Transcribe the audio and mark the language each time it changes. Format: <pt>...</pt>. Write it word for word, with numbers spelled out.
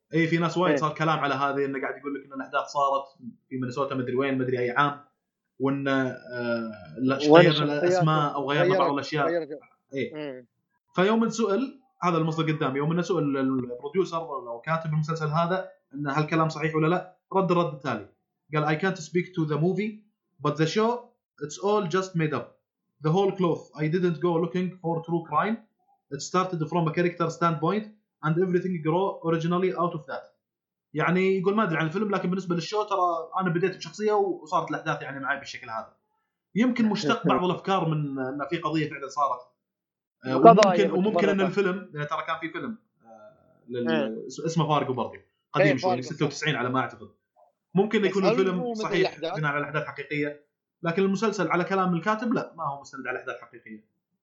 <ar>أي في ناس وايد صار كلام على هذه إنه قاعد يقول لك إن الأحداث صارت في منسوتا مدري وين مدري أي عام وإن غيرنا الأسماء أو غيرنا بعض الأشياء. إيه فيوم نسأل هذا المصدر قدامي يوم نسأل البروديوسر أو كاتب المسلسل هذا إن هالكلام صحيح ولا لا، رد الرد التالي قال</ar> <en>I can't speak to the movie but the show it's all just made up the whole cloth. I didn't go looking for true crime, it started from a character standpoint and everything grew originally out of that.</en> <ar>يعني يقول ما ادري عن الفيلم لكن بالنسبه للشو ترى انا بديت بشخصيه وصارت الاحداث يعني معي بالشكل هذا. يمكن مشتق بعض الافكار من ان في قضيه فعلا صارت وممكن وممكن ان الفيلم ترى كان في فيلم لل... اسمه فارغو برضه قديم شوي ستة وتسعين على ما اعتقد، ممكن يكون الفيلم صحيح بناء على احداث حقيقيه لكن المسلسل على كلام الكاتب لا ما هو مستند على احداث حقيقيه.</ar>